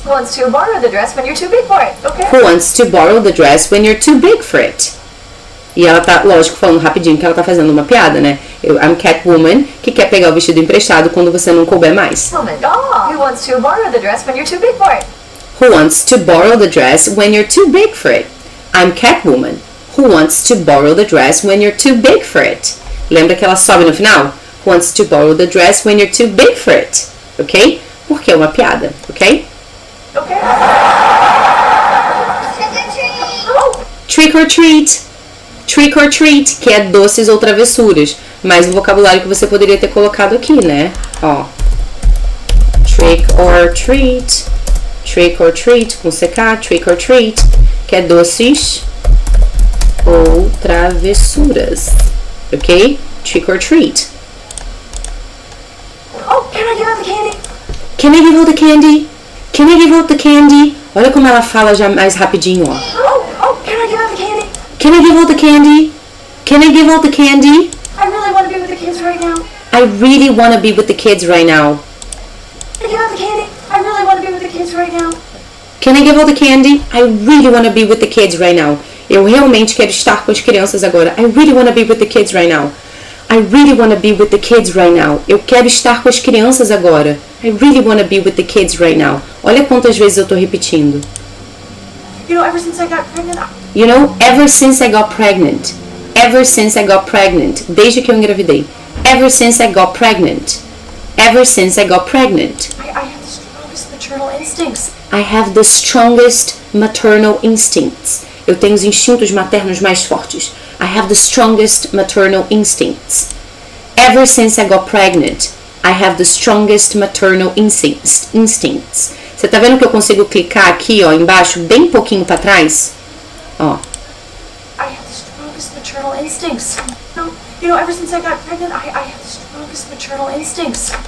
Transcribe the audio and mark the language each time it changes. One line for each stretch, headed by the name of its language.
English: Who wants to borrow the dress when you're too big for it? Okay. Who wants to borrow the dress when you're too big for it?
Portuguese: E ela tá, lógico, falando rapidinho que ela tá fazendo uma piada, né?
English: I'm Catwoman,
Portuguese: que quer pegar o vestido emprestado quando você não couber mais.
English: Who wants to borrow the dress when you're too big for it? Who wants to borrow the dress when you're too big for it? I'm Catwoman. Who wants to borrow the dress when you're too big for it?
Portuguese: Lembra que ela sobe no final?
English: Who wants to borrow the dress when you're too big for it?
Portuguese: Ok? Porque é uma piada, ok? Ok.
English: Trick or treat.
Portuguese: Trick or treat, que é doces ou travessuras. Mais um vocabulário que você poderia ter colocado aqui, né? Ó.
English: Trick or treat. Trick or treat,
Portuguese: com CK. Trick or treat, que é doces ou travessuras.
English: Ok? Trick or treat. Oh, can I give out the candy? Can I give out the candy? Can I give out the candy?
Portuguese: Olha como ela fala já mais rapidinho, ó.
English: Oh, can I give out the candy? Can I give out the candy? Can I give out the candy? I really want to be with the kids right now. I really want to be with the kids right now. Can I give out the candy? I really want to be with the kids right now. Can I give out the candy? I really want to be with the kids right now.
Portuguese: Eu realmente quero estar com as crianças agora.
English: I really want to be with the kids right now. I really want to be with the kids right now.
Portuguese: Eu quero estar com as crianças agora.
English: I really want to be with the kids right now.
Portuguese: Olha quantas vezes eu tô repetindo.
English: You know, ever since I got pregnant, you know, ever since I got pregnant. Ever since I got pregnant.
Portuguese: Desde que eu engravidei.
English: Ever since I got pregnant. Ever since I got pregnant. I have the strongest maternal instincts. I have the strongest maternal instincts.
Portuguese: Eu tenho os instintos maternos mais fortes.
English: I have the strongest maternal instincts. Ever since I got pregnant, I have the strongest maternal instincts.
Portuguese: Você tá vendo que eu consigo clicar aqui, ó, embaixo, bem pouquinho para trás? Ó.
English: I have the strongest maternal instincts. You know, ever since I got pregnant, I have the strongest maternal instincts.